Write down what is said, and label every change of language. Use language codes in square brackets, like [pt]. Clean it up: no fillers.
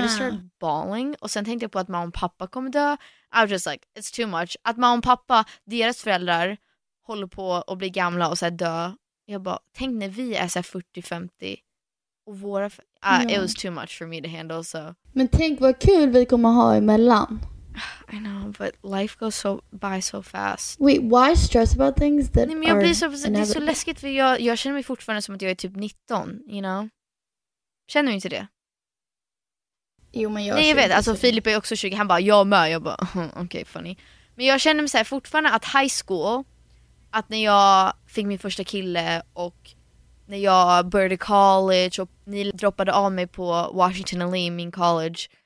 [en] just started bawling [sv] och sen tänkte jag på att mamma och pappa kommer dö. [en] I was just like, it's too much. [sv] Att mamma och pappa, deras föräldrar håller på att bli gamla och så här, dö. Jag bara, tänk när vi är så här 40-50 och våra [en] it was too much for me to handle. So. [sv] Men tänk vad kul vi kommer ha emellan. [en] I know, but life goes so by so fast. Wait, why stress about things that are inevitable? [sv] Det är så läskigt, för jag känner mig fortfarande som att jag är typ 19, [en] you know? [sv] Känner du inte det? Jo, men jag... Nej, jag vet. Alltså, Filip är också 20. Han bara, jag med. Jag bara, okej, [en] funny. [sv] Men jag känner mig så här fortfarande att high school, att när jag fick min första kille och när jag började college och ni droppade av mig på Washington and Lee, min college...